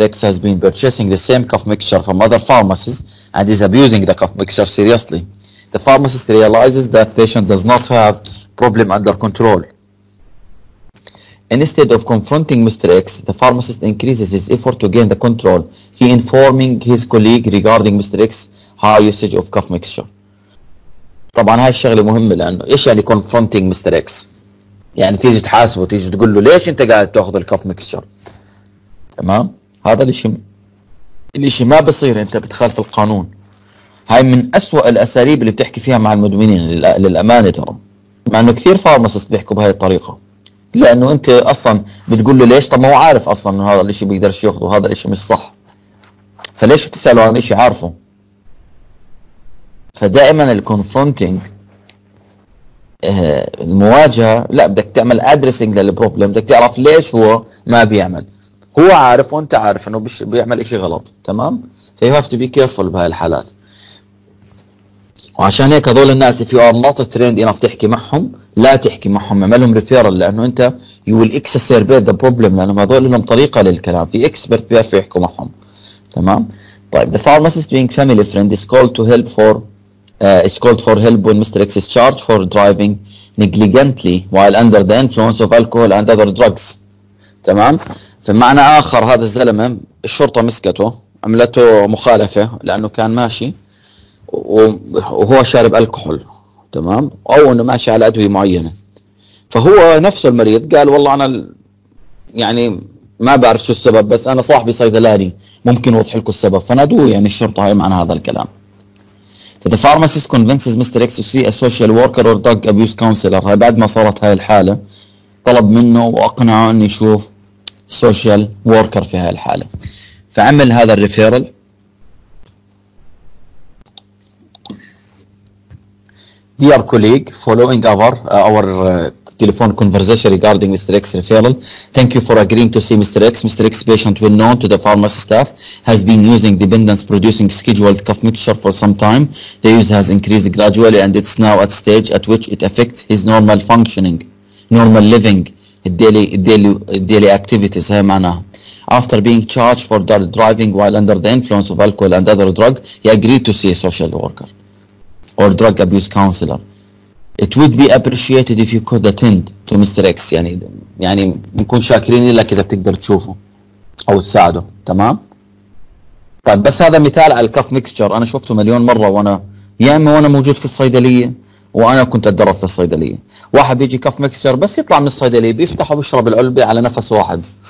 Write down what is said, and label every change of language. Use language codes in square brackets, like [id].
[en] X has been purchasing the same cough mixture from other pharmacies and is abusing the cough mixture seriously, the pharmacist realizes that patient does not have problem under control. Instead of confronting Mr. X, the pharmacist increases his effort to gain the control, he informing his colleague regarding Mr. X's high usage of cough mixture. [ar] طبعا هاي الشغلة مهمة، لأنه إيش يعني confronting Mr. X؟ يعني تيجي تحاسبه، تيجي تقول له ليش انت قاعد تاخذ الكف ميكسشر. تمام، هذا الاشي ما بصير، انت بتخالف القانون. هاي من اسوأ الاساليب اللي بتحكي فيها مع المدمنين للامانة، ترى مع انه كثير فارماسيست بيحكوا بهاي الطريقة، لانه انت اصلا بتقول له ليش، طب ما هو عارف اصلا انه هذا الاشي بيقدرش ياخذه، هذا الاشي مش صح، فليش بتسأله عن اشي عارفه؟ فدائما الكونفرونتينج، المواجهة، لا بدك تعمل ادريسنج للبروبلم، بدك تعرف ليش هو ما بيعمل، هو عارف وانت عارف انه بيعمل اشي غلط. تمام، [en] you have to be careful [ar] بهاي الحالات، وعشان هيك هذول الناس [en] if you are not trained enough [ar] تحكي معهم، لا تحكي معهم، اعملهم ريفيرال، لانه انت [en] you will exacerbate the problem، [ar] لانه هذول لهم طريقة للكلام، في اكسبرت بيعرف يحكوا معهم. تمام، طيب [en] the pharmacist being family friend is called to help for it's called for help when Mr. X is charged for driving negligently while under the influence of alcohol and other drugs. [ar] تمام، في معنى آخر هذا الزلمة الشرطة مسكته، عملته مخالفة لأنه كان ماشي وهو شارب الكحول. تمام، أو أنه ماشي على أدوية معينة، فهو نفسه المريض قال والله أنا يعني ما بعرف شو السبب، بس أنا صاحبي صيدلاني ممكن أوضح لكم السبب، فنادوه يعني الشرطة. هي معنى هذا الكلام. [en] So the pharmacist convinces Mr. X to see a social worker or drug abuse counselor. [ar] هاي بعد ما صارت هاي الحالة، طلب منه وأقنعه أن يشوف social worker في هاي الحالة، فعمل هذا الريفيرل. [en] Dear colleague, following our telephone conversation regarding Mr. X referral, thank you for agreeing to see Mr. X. Mr. X, patient well known to the pharmacy staff, has been using dependence producing scheduled cough mixture for some time. The use has increased gradually and it's now at stage at which it affects his normal functioning, normal living, daily activities. After being charged for driving while under the influence of alcohol and other drug, he agreed to see a social worker or drug abuse counselor. It would be appreciated if you could attend to Mr. X. [ar] يعني نكون شاكرين لك إذا بتقدر تشوفه أو تساعده. تمام؟ طيب بس هذا مثال على الكف ميكستشر، أنا شفته مليون مرة، وأنا يا إما وأنا موجود في الصيدلية وأنا كنت أتدرب في الصيدلية، واحد بيجي كف ميكستشر بس يطلع من الصيدلية بيفتحه ويشرب العلبة على نفس واحد.